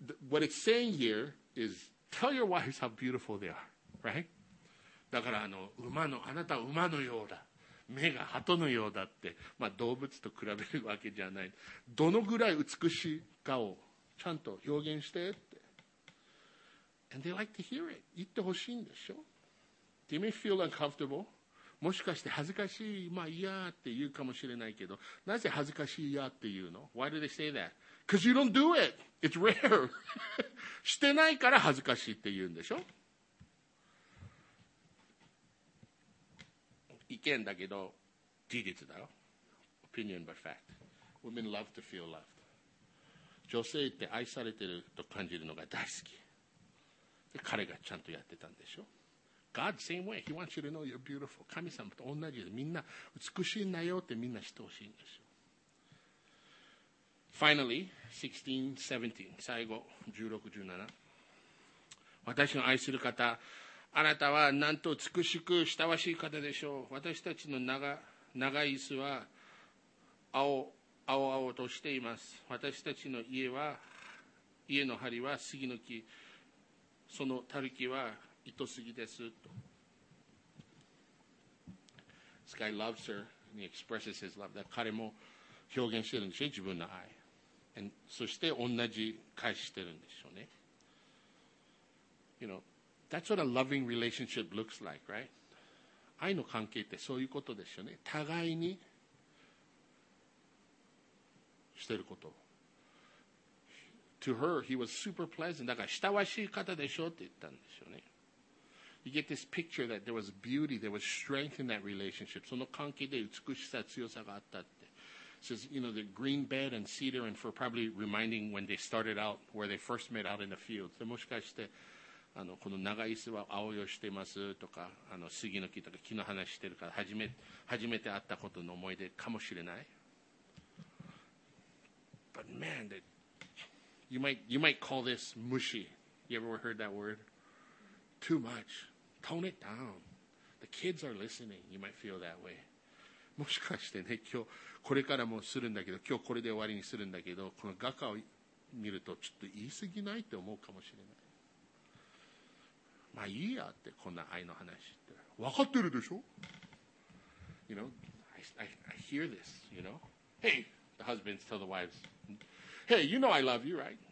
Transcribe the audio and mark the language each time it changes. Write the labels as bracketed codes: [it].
[en] What it's saying here is, tell your wives how beautiful they are, right? [ja] だからあの馬の、あなたは馬のようだ。目が鳩のようだって、まあ動物と比べるわけじゃない。どのぐらい美しいかをちゃんと表現してって。 [en] And they like to hear it. [ja] 言ってほしいんでしょ? [en] Do you may feel uncomfortable? [ja] もしかして恥ずかしい、まあ嫌って言うかもしれないけど、なぜ恥ずかしい嫌って言うの？ [en] Why do they say that? Because you don't do it. It's rare. [ja] してないから恥ずかしいって言うんでしょ？意見だけど、事実だろ。 [en] Opinion but fact. Women love to feel loved. [ja] 女性って愛されてると感じるのが大好き。で、彼がちゃんとやってたんでしょ？ [en] God, same way. He wants you to know you're beautiful. [ja] 神様と同じで、みんな美しいんだよってみんな知ってほしいんですよ。 [en] Finally, 16:17. [ja] 最後、16:17. 私の愛する方、あなたはなんと美しく親しい方でしょう。私たちの長い椅子は青々としています。私たちの家の梁は杉の木、そのたるきは糸すぎですと。 [en] This guy loves her and he expresses his love. [ja] 彼も表現してるんでしょ、自分の愛。 And そして同じ返してるんでしょうね。 [en] You know, that's what a loving relationship looks like, right? [ja] 愛の関係ってそういうことでしょうね。互いにしてること。 [en] To her, he was super pleasant. [ja] だから、親しい方でしょって言ったんでしょうね。 [en] You get this picture that there was beauty, there was strength in that relationship. [ja] その関係で美しさ、強さがあったって。 [en] Says, you know, the green bed and cedar, and for probably reminding when they started out, where they first met out in the fields. [ja] もしかして、あの、この長い椅子は青よしてますとか、あの、杉の木とか木の話してるから、初めて会ったことの思い出かもしれない。 [en] But man, you might call this mushy. You ever heard that word? Too much. Tone it down. The kids are listening. You might feel that way. [ja] もしかしてね、今日これからもするんだけど、今日これで終わりにするんだけど、この画家を見るとちょっと言い過ぎないって思うかもしれない。まあいいやってこんな愛の話って分かってるでしょ。 [en] You know, I hear this, you know. Hey, the husbands tell the wives, hey, you know I love you, right?